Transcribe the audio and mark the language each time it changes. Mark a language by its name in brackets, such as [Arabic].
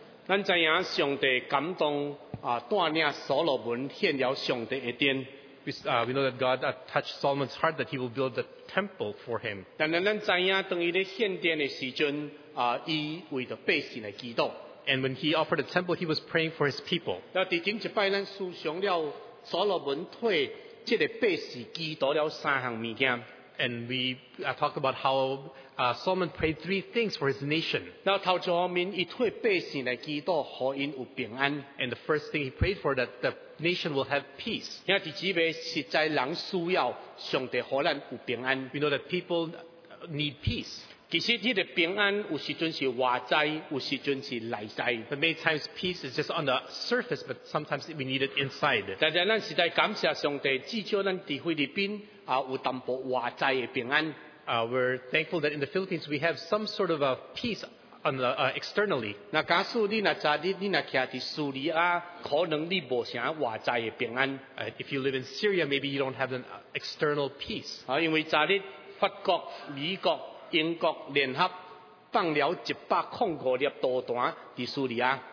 [Min Nan Chinese] 咱知影上帝感动啊，带领所罗门献了上帝的殿。 [English] We know that God touched Solomon's heart that he will build the temple for him. [Min Nan Chinese] 但咱知影当伊咧献殿的时阵啊，伊为着百姓来祈祷。 [English] And when he offered a temple, he was praying for his people. [Min Nan Chinese] 那第顶一摆咱思想了所罗门替这个百姓祈祷了三项物件。 [English] And we talked about how Solomon prayed three things for his nation. And the first thing he prayed for that the nation will have peace. We know that people need peace. [Min Nan Chinese] 其实这个平安有时阵是外在，有时阵是内在。 [English] But many times peace is just on the surface, but sometimes we need it inside. [Min Nan Chinese] 但是咱实在感谢上帝，至少咱在菲律宾啊有淡薄外在的平安。 [English] We're thankful that in the Philippines we have some sort of a peace on the externally. [Min Nan Chinese] 那假使你那在你那徛在叙利亚，可能你无啥外在的平安。 [English] If you live in Syria, maybe you don't have an external peace. [Min Nan Chinese] 啊，因为在你法国、美国。英国联合放了105粒导弹在叙利亚。